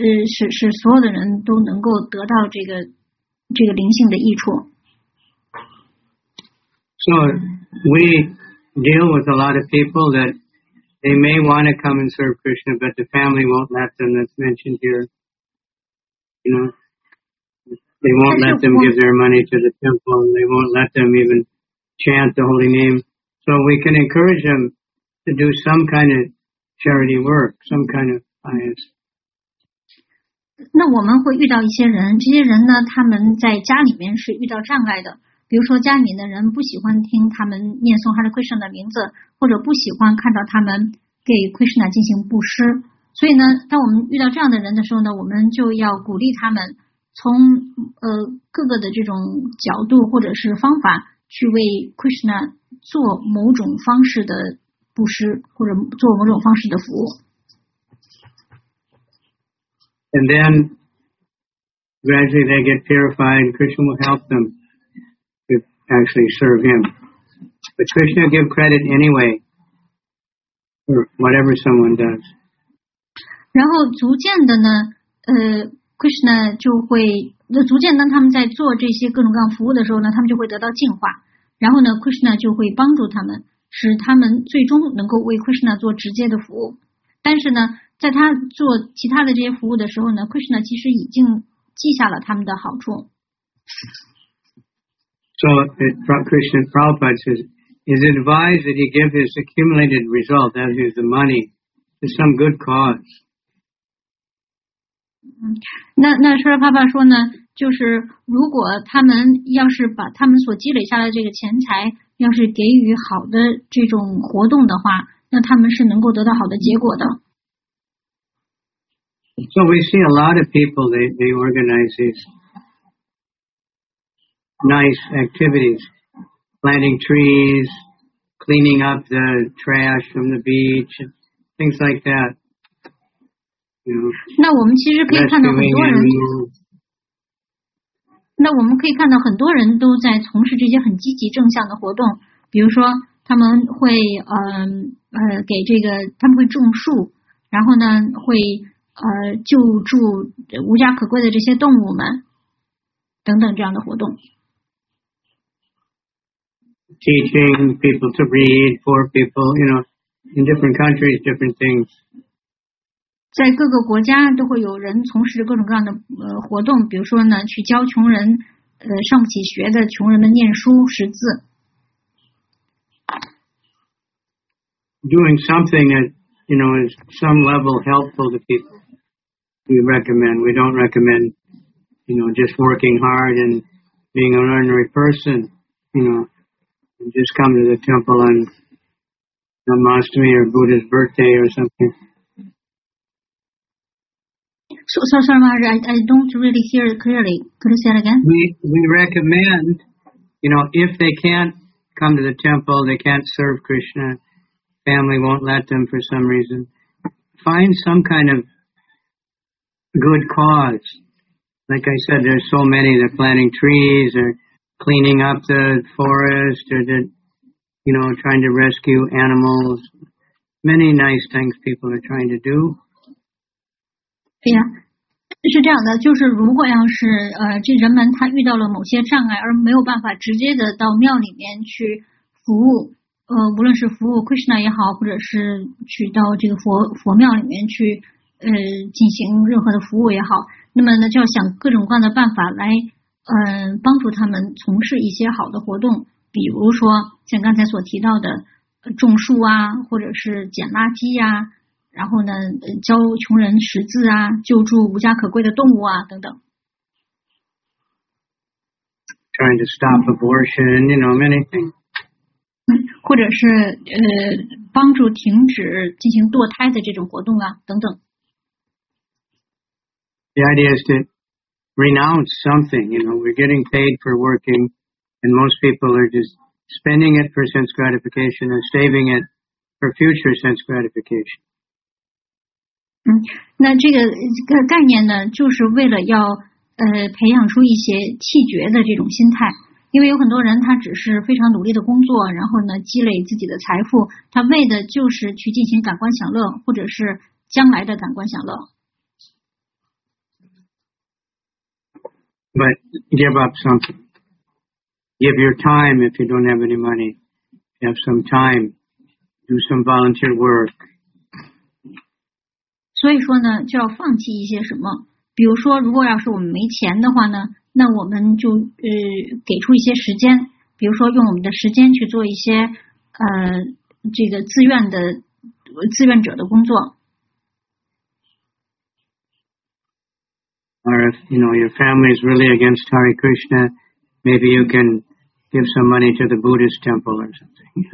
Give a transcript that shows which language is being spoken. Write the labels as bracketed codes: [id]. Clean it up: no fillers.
[zh] 使所有的人都能够得到这个灵性的益处。 [en] So we deal with a lot of people that they may want to come and serve Krishna, but the family won't let them. That's mentioned here. You know, they won't let them give their money to the temple, and they won't let them even chant the holy name. So we can encourage them to do some kind of charity work, some kind of pious. [zh] 那我们会遇到一些人，这些人呢，他们在家里面是遇到障碍的。比如说，家里面的人不喜欢听他们念诵 Hare Krishna 的名字，或者不喜欢看到他们给 Krishna 进行布施。所以呢，当我们遇到这样的人的时候呢，我们就要鼓励他们从各个的这种角度或者是方法去为 Krishna 做某种方式的布施或者做某种方式的服务。 [en] And then gradually they get purified, Krishna will help them to actually serve him. But Krishna give credit anyway for whatever someone does. [zh] 然后逐渐的呢，Krishna 就会，那逐渐当他们在做这些各种各样服务的时候呢，他们就会得到净化。然后呢 ，Krishna 就会帮助他们，使他们最终能够为 Krishna 做直接的服务。但是呢，在他做其他的这些服务的时候呢 ，Krishna 其实已经记下了他们的好处。 [en] So Krishna Prabhupada says, is advised that he give his accumulated result, that is the money, to some good cause. [zh] 那舍利帕帕说呢，就是如果他们要是把他们所积累下来这个钱财要是给予好的这种活动的话，那他们是能够得到好的结果的。 [en] So we see a lot of people, they organize these nice activities, planting trees, cleaning up the trash from the beach, things like that. [zh] 那我们其实可以看到很多人，那我们可以看到很多人都在从事这些很积极正向的活动，比如说他们会给这个他们会种树，然后呢会救助无家可归的这些动物们等等这样的活动。 [en] Teaching people to read, poor people, you know, in different countries, different things. [zh] 在各个国家都会有人从事各种各样的活动，比如说呢，去教穷人，上不起学的穷人们念书识字。 [en] Doing something that, you know, is some level helpful to people, we recommend. We don't recommend, you know, just working hard and being an ordinary person, you know. Just come to the temple on Namastami or Buddha's birthday or something. So, Maharaj, I don't really hear it clearly. Could you say it again? We recommend, you know, if they can't come to the temple, they can't serve Krishna, family won't let them for some reason, find some kind of good cause. Like I said, there's so many, they're planting trees orcleaning up the forest, or the, you know, trying to rescue animals. Many nice things people are trying to do. [zh] 对呀，是这样的，就是如果要是这人们他遇到了某些障碍，而没有办法直接的到庙里面去服务，无论是服务 Krishna 也好，或者是去到这个佛庙里面去进行任何的服务也好，那么呢就要想各种各样的办法来。帮助他们从事一些好的活动，比如说像刚才所提到的种树啊，或者是捡垃圾呀、啊，然后呢教穷人识字啊，救助无家可归的动物啊等等。 [en] Trying to stop abortion, you know, many things. [zh] 或者是帮助停止进行堕胎的这种活动啊等等。 [en] The idea is to. Renounce something, you know, we're getting paid for working, and most people are just spending it for sense gratification or saving it for future sense gratification. [zh] 那这个概念呢，就是为了要培养出一些弃绝的这种心态，因为有很多人他只是非常努力的工作，然后呢积累自己的财富，他为的就是去进行感官享乐，或者是将来的感官享乐。 [en] But give up something. Give your time if you don't have any money. Have some time. Do some volunteer work. [zh] 所以说呢，就要放弃一些什么。比如说，如果要是我们没钱的话呢，那我们就给出一些时间。比如说，用我们的时间去做一些这个志愿者的工作。 [en] Or if, you know, your family is really against Hare Krishna, maybe you can give some money to the Buddhist temple or something.